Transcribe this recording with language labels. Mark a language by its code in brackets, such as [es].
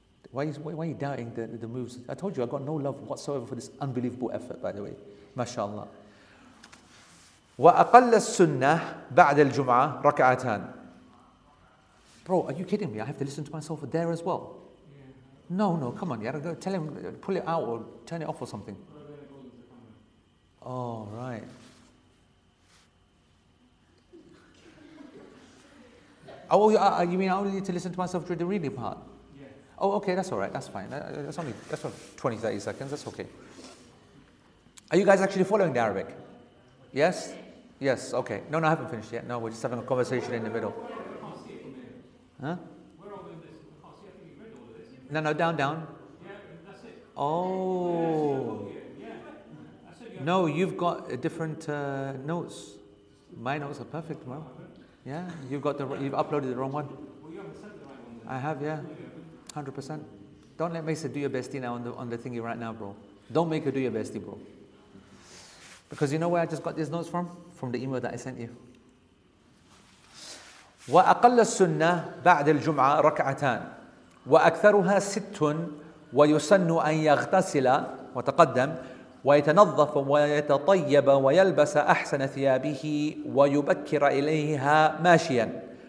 [en] Why are you doubting the moves? I told you I got no love whatsoever for this unbelievable effort, by the way. MashaAllah. [ar] وأقل السنة بعد الجمعة ركعتان. [en] Bro, are you kidding me? I have to listen to myself there as well. No, come on. Yeah, tell him, pull it out or turn it off or something. Oh, right. Oh, you mean I only need to listen to myself during the reading part? Yeah. Oh, okay, that's all right, that's fine. That's only 20, 30 seconds, that's okay. Are you guys actually following the Arabic? Yes? Yes, okay. No, I haven't finished yet. No, we're just having a conversation in the middle. Huh? No, down. Yeah, that's it. Oh. No, you've got different notes. My notes are perfect, bro. Yeah, you've uploaded the wrong one. Well, you haven't sent the right one then. I have, yeah. 100%. Don't let Mesa do your bestie now on the thingy right now, bro. Don't make her do your bestie, bro. Because you know where I just got these notes from? From the email that I sent you. [ar] وأقل السنة بعد الجمعة ركعتان وأكثرها ست ويسن أن يغتسل وتقدم ويتنظف ويتطيب ويلبس أحسن ثيابه ويبكر إليها ماشيا